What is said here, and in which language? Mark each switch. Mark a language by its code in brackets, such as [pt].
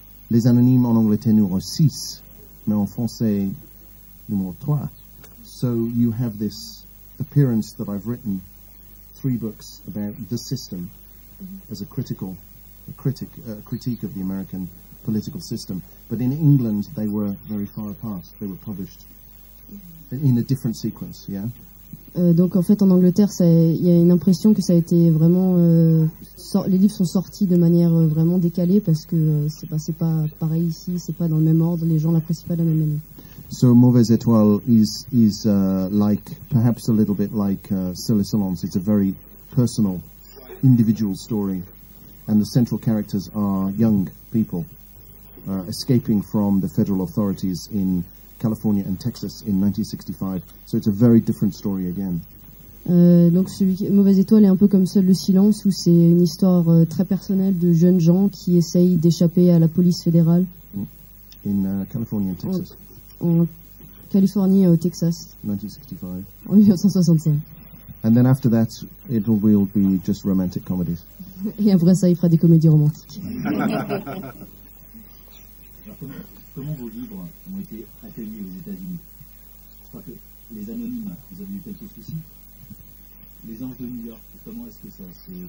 [fr] Les anonymes en Angleterre, numéro 6. Mais en français, numéro 3. [en] So you have this appearance that I've written three books about the system as a critique of the American political system. But in England, they were very far apart. They were published in a different sequence, yeah? [fr] Donc en fait, en Angleterre, il y a une impression que ça a été vraiment... les livres sont sortis de manière vraiment décalée parce que c'est pas pareil ici, c'est pas dans le même ordre, les gens l'apprécient pas de la même manière. [en] So Mauvaise Étoile is like, perhaps a little bit like Silly Salons. It's a very personal, individual story. And the central characters are young people escaping from the federal authorities in California and Texas in 1965. So it's a very different story again. [fr] Donc celui qui, Mauvaise Étoile est un peu comme Seul le silence, où c'est une histoire très personnelle de jeunes gens qui essayent d'échapper à la police fédérale. [en] In California and Texas. [fr] En Californie et au Texas. [en] 1965. And then after that, it will be just romantic comedies. [fr] Et après ça, il fera des comédies romantiques. Comment vos livres ont été accueillis aux États-Unis? Je crois que les anonymes, vous avez eu quelques soucis. Les Anges de New York, comment est-ce que ça se passe?